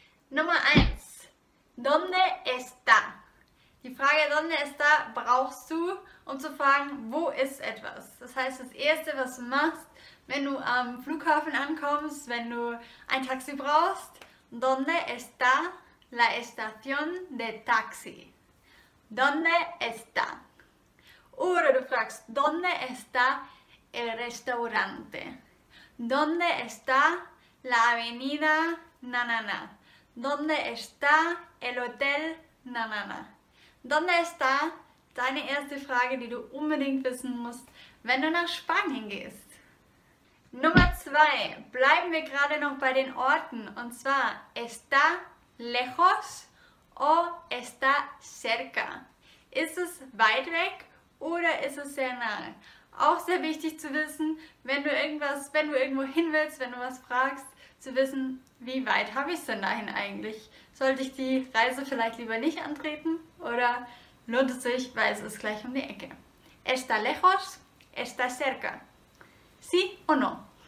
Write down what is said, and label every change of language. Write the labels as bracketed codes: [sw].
[de] Nummer 1. [es] ¿Dónde está? [de] Die Frage ¿Dónde está? Brauchst du, um zu fragen, wo ist etwas? Das heißt, das Erste, was du machst, wenn du am Flughafen ankommst, wenn du ein Taxi brauchst, [es] ¿Dónde está la estación de taxi? ¿Dónde está? [de] Oder du fragst, [es] ¿Dónde está el restaurante? ¿Dónde está la avenida nanana? ¿Dónde está el hotel? Na, na, na. ¿Dónde está? [de] Deine erste Frage, die du unbedingt wissen musst, wenn du nach Spanien gehst. Nummer 2. Bleiben wir gerade noch bei den Orten. Und zwar, [es] ¿está lejos o está cerca? [de] Ist es weit weg oder ist es sehr nah? Auch sehr wichtig zu wissen, wenn du irgendwo hin willst, wenn du was fragst, zu wissen, wie weit habe ich es denn dahin eigentlich? Sollte ich die Reise vielleicht lieber nicht antreten? Oder lohnt es sich, weil es ist gleich um die Ecke? [es] ¿Está lejos? ¿Está cerca? ¿Sí o no?